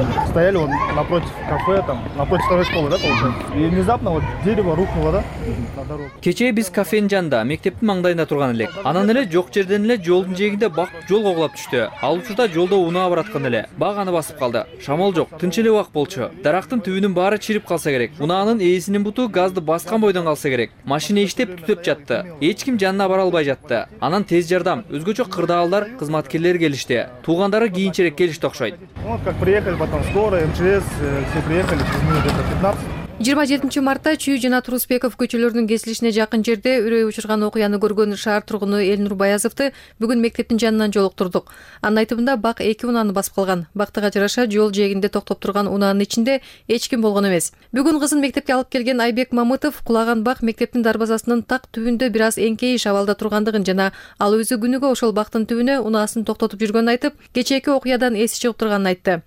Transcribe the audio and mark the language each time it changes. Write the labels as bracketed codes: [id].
[ru] Стояли вот напротив кафе, там, напротив второй школы, да, получается? И внезапно вот дерево рухнуло, да, на дорогу. [ky] Кечээ биз кафенин жанында, мектептин маңдайында турган элек. Анан эле жок жерден эле жолдун жээгинде бак жол коглап түштү. Ал учурда жолдо унаа бараткан эле. Бак аны басып калды. Шамал жок, тынч эле убак болчу. Дарактын түбүнүн баары чирип калса керек. Унаанын ээсинин буту газды баскан бойдон калса керек. Машина иштеп түтөп жатты. Эч ким жанына бара албай жатты. Анан тез жардам, өзгөчө кырдаалдар, кызматкерлер келишти. Туугандары кийинчерээк келишти окшойт. [ru] Приехали потом скорая, МЧС, все приехали, через минут где-то 15. [ky] 27 мартта Чүй жана Турусбеков көчөлөрүнүн кесилишине жакын жерде үрөй учурган окуяны көргөн шаар тургуну Элнур Баязовду бүгүн мектептин жанынан жолуктурдук. Анын айтымында бак эки унааны басып калган. Бактыга жараша жол жээгинде токтоп турган унаанын ичинде эч ким болгон эмес. Бүгүн кызын мектепке алып келген Айбек Мамытов кулаган бак мектептин дарбазасынын так түбүндө бир аз эңкейиш абалда тургандыгын жана ал өзү күнүгө ошол бактын түбүнө унаасын токтотуп жүргөнүн айтып, кечээки окуядан эси чыгып турганын айтты.